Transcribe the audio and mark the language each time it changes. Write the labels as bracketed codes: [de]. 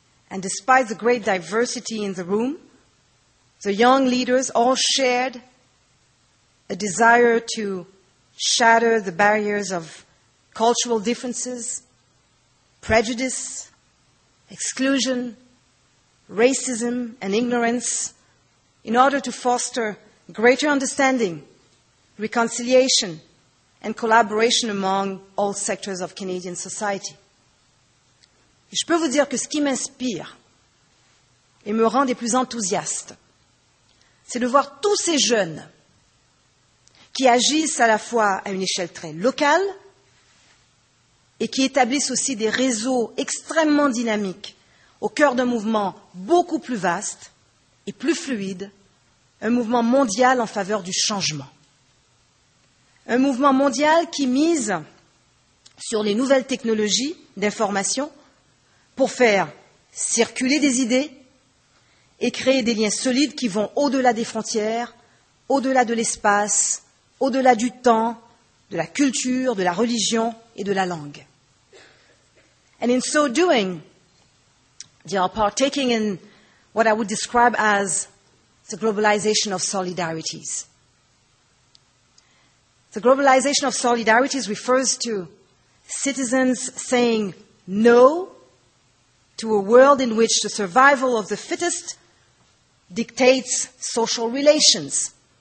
[en] And despite the great diversity in the room, the young leaders all shared a desire to shatter the barriers of cultural differences, prejudice, exclusion, racism, and ignorance in order to foster greater understanding, reconciliation, and collaboration among all sectors of Canadian society. [fr] Et je peux vous dire que ce qui m'inspire et me rend des plus enthousiastes, c'est de voir tous ces jeunes qui agissent à la fois à une échelle très locale et qui établissent aussi des réseaux extrêmement dynamiques au cœur d'un mouvement beaucoup plus vaste et plus fluide, un mouvement mondial en faveur du changement. Un mouvement mondial qui mise sur les nouvelles technologies d'information pour faire circuler des idées et créer des liens solides qui vont au-delà des frontières, au-delà de l'espace, au-delà du temps, de la culture, de la religion et de la langue. [en] And in so doing, they are partaking in what I would describe as the globalization of solidarities. The globalization of solidarities refers to citizens saying no to a world in which the survival of the fittest dictates social relations.